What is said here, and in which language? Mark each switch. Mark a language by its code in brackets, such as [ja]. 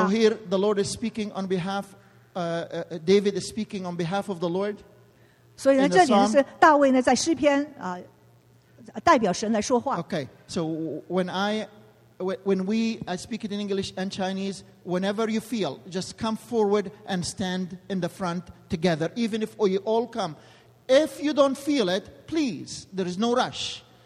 [en] So here the Lord is speaking on behalf, David is speaking on behalf of the Lord. [zh] 所以呢,这里是大卫呢,在诗篇,代表神来说话。 [en] Okay, so when I speak it in English and Chinese, whenever you feel, just come forward and stand in the front together, even if you all come. If you don't feel it, please, there is no rush.